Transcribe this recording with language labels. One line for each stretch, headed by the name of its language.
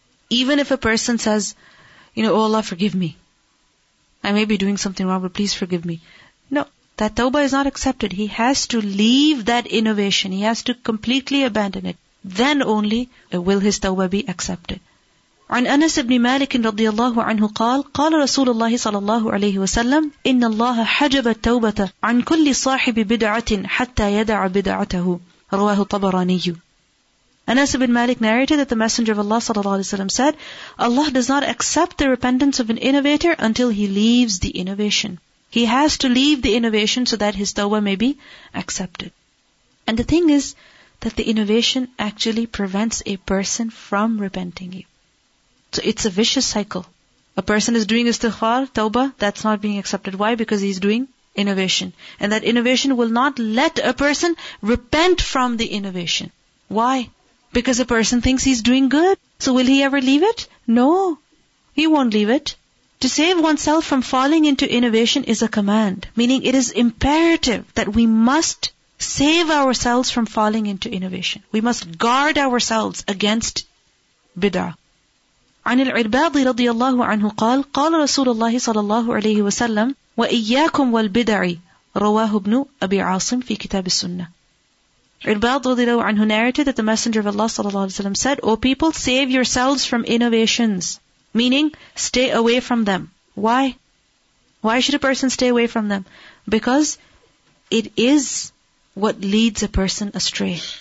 English: Even if a person says, you know, oh Allah, forgive me. I may be doing something wrong, but please forgive me. No, that tawbah is not accepted. He has to leave that innovation. He has to completely abandon it. Then only will his tawbah be accepted.
Arabic: عن أنس بن مالك رضي الله عنه قال قال رسول الله صلى الله عليه وسلم إن الله حجب التوبة عن كل صاحب بدعة حتى يدع بدعته رواه الطبراني.
English: Anas ibn Malik narrated that the Messenger of Allah sallallahu alaihi wasallam said, Allah does not accept the repentance of an innovator until he leaves the innovation. He has to leave the innovation so that his tawbah may be accepted. And the thing is that the innovation actually prevents a person from repenting you. So it's a vicious cycle. A person is doing istighfar, tawbah, that's not being accepted. Why? Because he's doing innovation. And that innovation will not let a person repent from the innovation. Why? Because a person thinks he's doing good. So will he ever leave it? No, he won't leave it. To save oneself from falling into innovation is a command. Meaning it is imperative that we must save ourselves from falling into innovation. We must guard ourselves against bid'ah.
Arabic: عن العرباض رضي الله عنه قال قال رسول الله صلى الله عليه وسلم وإياكم والبدع رواه ابن أبي عاصم في كتاب السنة.
English: عرباض رضي الله عنه narrated that the Messenger of Allah صلى الله عليه وسلم said, O people, save yourselves from innovations. Meaning, stay away from them. Why? Why should a person stay away from them? Because it is what leads a person astray.